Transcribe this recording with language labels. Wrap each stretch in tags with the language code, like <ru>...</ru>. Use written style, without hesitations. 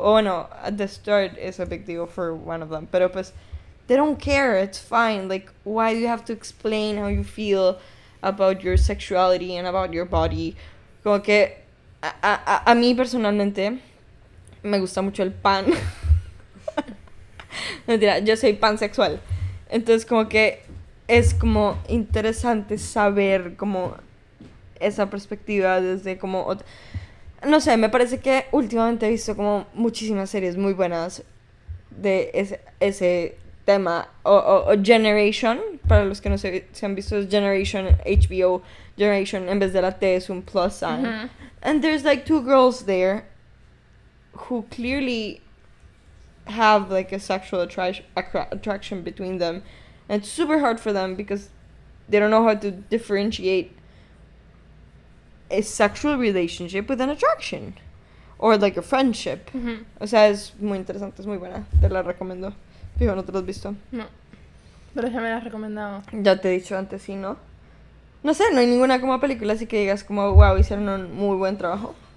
<en>Oh,</en> <es>bueno,</es> <en>at the start it's a big deal for one of them,</en> <es>pero pues,</es> <en>they don't care, it's fine. Like, why do you have to explain how you feel about your sexuality and about your body?</en> <es>Como que a mí personalmente me gusta mucho el pan. Mentira, yo soy pansexual. Entonces como que es como interesante saber como esa perspectiva desde como no sé, me parece que últimamente he visto como muchísimas series muy buenas de ese tema o Generation, para los que no se han visto Generation, HBO Generation, en vez de la T es un plus sign. Uh-huh.</es> <en>And there's like two girls there who clearly have like a sexual attraction between them, and it's super hard for them because they don't know how to differentiate a sexual relationship with an attraction or like a friendship. Mm-hmm.</en> <es>O sea, es muy interesante, es muy buena, te la recomiendo. Fijo, no te lo has visto. No, pero ya me la has recomendado. Ya te he dicho antes, sí, ¿no? No sé, no hay ninguna como película así que digas como, wow, hicieron un muy buen trabajo.</es>